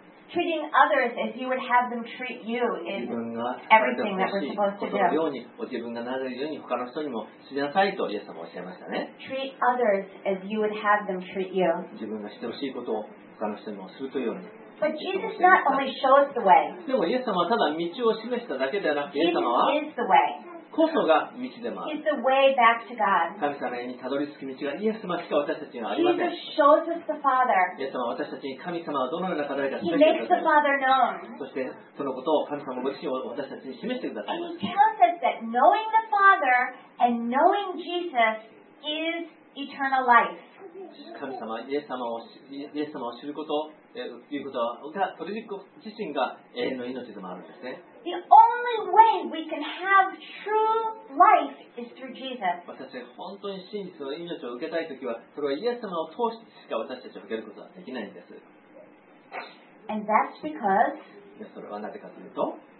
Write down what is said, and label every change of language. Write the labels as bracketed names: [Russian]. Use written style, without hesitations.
[English] treating others as you would have them treat you is everything that we're supposed to do. [Japanese] 自分がなれるように他の人にもしなさいとイエス様はおっしゃいましたね。 [English] Treat others as you would have them treat you. [Japanese] 自分がしてほしいことを他の人にもするというように。 [English] But Jesus not only shows the way. [Japanese] でもイエス様はただ道を示しただけではなくて、イエス様は [English] Jesus is the way. [Japanese] こそが道でもある。 [English] He's the way back to God. [Japanese] 神様にたどり着く道がイエス様しか私たちにはありません。 [English] Jesus shows us the Father. [Japanese] イエス様は私たちに神様はどのような方か [English] He makes the Father known. [Japanese] そしてそのことを神様ご自身を私たちに示してください。 [English] And he tells us that knowing the Father and knowing Jesus is eternal life. [Japanese] 神様、イエス様を知ることということは、それ自身が永遠の命でもあるんですね。 [English] The only way we can have true life is through Jesus. [Japanese] 私たちが本当に真実の命を受けたいときは、それはイエス様を通してしか私たちは受けることはできないんです。 [English] And that's because [Japanese] それはなぜかというと、